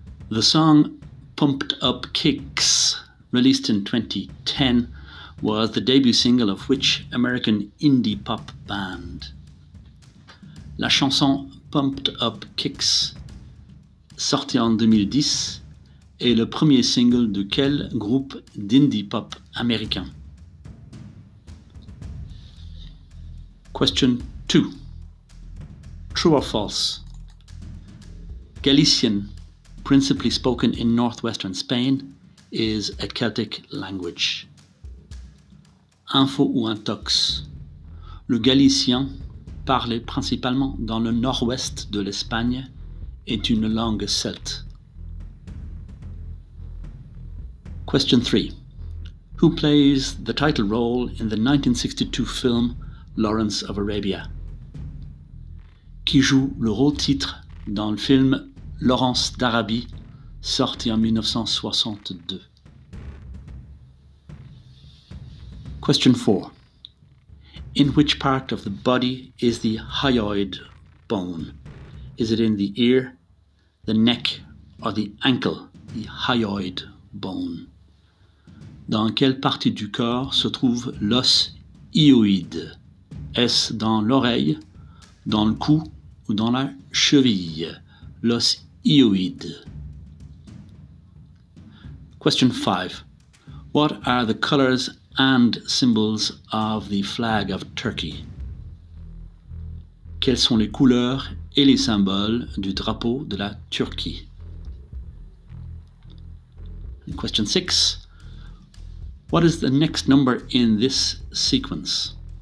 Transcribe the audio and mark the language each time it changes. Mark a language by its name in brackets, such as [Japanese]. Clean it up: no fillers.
[English] The song Pumped Up Kicks, released in 2010, was the debut single of which American indie pop band? [French] La chanson Pumped Up Kicks, sortie en 2010, est le premier single de quel groupe d'indie pop américain? [English] Question 2. True or false? Galician, principally spoken in northwestern Spain, is a Celtic language. [French] Info ou intox. Le galicien, parlé principalement dans le nord-ouest de l'Espagne, est une langue celte. Question 3. [English] who plays the title role in the 1962 film Lawrence of Arabia? [French] Qui joue le rôle titre dans le film Lawrence d'Arabie, sorti en 1962? [English] Question 4. In which part of the body is the hyoid bone? Is it in the ear, the neck, or the ankle, the hyoid bone? [French] Dans quelle partie du corps se trouve l'os hyoïde? Est-ce dans l'oreille, dans le cou ou dans la cheville? L'os hyoïde. [English] Question 5. What are the colors and symbols of the flag of Turkey? [French] Quelles sont les couleurs et les symboles du drapeau de la Turquie? [English] And question 6. What is the next number in this sequence?